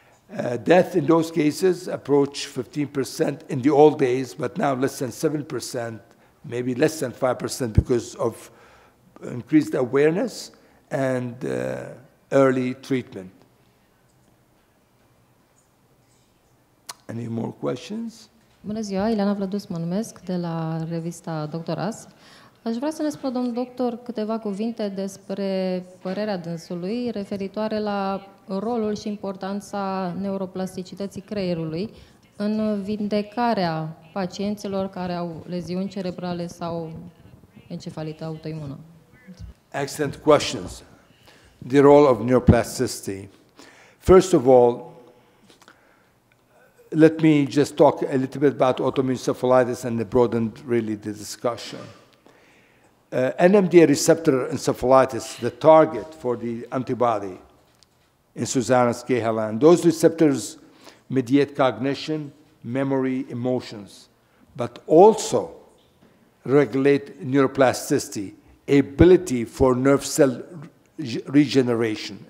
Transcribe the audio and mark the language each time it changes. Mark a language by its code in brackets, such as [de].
[en] Death in those cases approach 15% in the old days, but now less than 7%, maybe less than 5% because of increased awareness and early treatment. Any more questions? [ro] Bună ziua, Ileana Vlădus mă numesc, de la revista Dr. As. Aș vrea să ne spună, domn doctor, câteva cuvinte despre părerea dânsului referitoare la rolul și importanța neuroplasticității creierului în vindecarea pacienților care au leziuni cerebrale sau encefalită autoimună. [en] Excellent questions. The role of neuroplasticity. First of all, let me just talk a little bit about autoimmune encephalitis and broaden really the discussion. NMDA receptor encephalitis, the target for the antibody in Susanna's Gehaland, those receptors mediate cognition, memory, emotions, but also regulate neuroplasticity, ability for nerve cell regeneration.